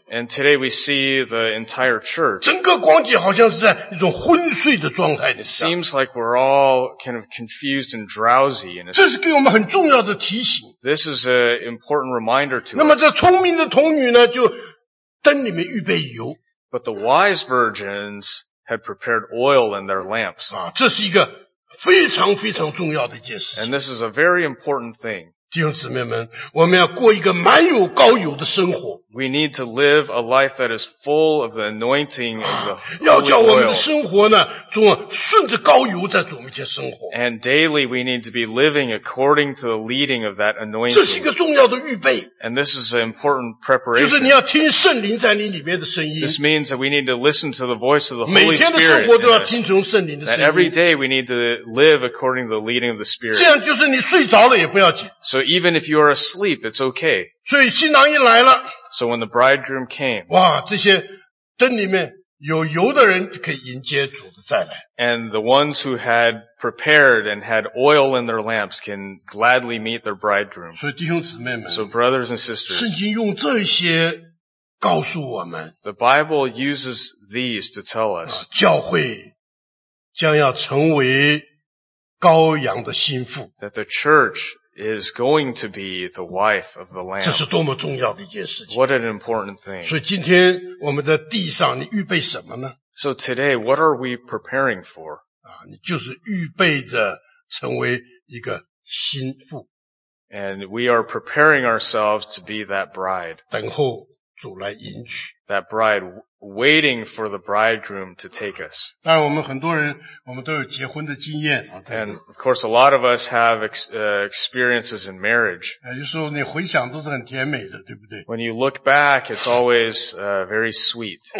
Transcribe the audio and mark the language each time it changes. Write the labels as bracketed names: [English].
[English] And today we see the entire church. [Chinese] 整个光景好像是在一种昏睡的状态。 [English] It seems like we're all kind of confused and drowsy. [Chinese] 这是给我们很重要的提醒。 [English] This is an important reminder to us. [Chinese] 那么这聪明的童女呢，就灯里面预备油。 [English] But the wise virgins had prepared oil in their lamps. [Chinese] 啊，这是一个非常非常重要的一件事情。 [English] And this is a very important thing. [Chinese] 弟兄姊妹们，我们要过一个满有膏油的生活。 [English] We need to live a life that is full of the anointing of the Holy Oil. [Chinese] 要叫我们的生活呢，总顺着膏油在主面前生活。 [English] And daily we need to be living according to the leading of that anointing. [Chinese] 这是一个重要的预备。 [English] And this is an important preparation. [Chinese] 就是你要听圣灵在你里面的声音。 [English] This means that we need to listen to the voice of the Holy Spirit. [Chinese] 每天的生活都要听从圣灵的声音。 [English] That every day we need to live according to the leading of the Spirit. [Chinese] 这样就是你睡着了也不要紧。 [English] So even if you are asleep, it's okay. [Chinese] 所以新郎一来了。 [English] So when the bridegroom came. [Chinese] 哇，这些灯里面有油的人可以迎接主的再来。 [English] And the ones who had prepared and had oil in their lamps can gladly meet their bridegroom. [Chinese] 所以弟兄姊妹们。 [English] So brothers and sisters. [Chinese] 圣经用这些告诉我们。 [English] The Bible uses these to tell us. [Chinese] 教会将要成为羔羊的心腹。 [English] That the church is going to be the wife of the lamb. [Chinese] 这是多么重要的一件事情。 [English] What an important thing. [Chinese] 所以今天我们在地上你预备什么呢？ [English] So today, what are we preparing for? [Chinese] 你就是预备着成为一个心腹。 [English] And we are preparing ourselves to be that bride. [Chinese] 等候主来迎娶。 [English] That bride waiting for the bridegroom to take us. [Chinese] 当然我们很多人我们都有结婚的经验。 [English] And of course a lot of us have experiences in marriage. [Chinese] 有时候你回想都是很甜美的对不对 [English] When you look back, it's always very sweet.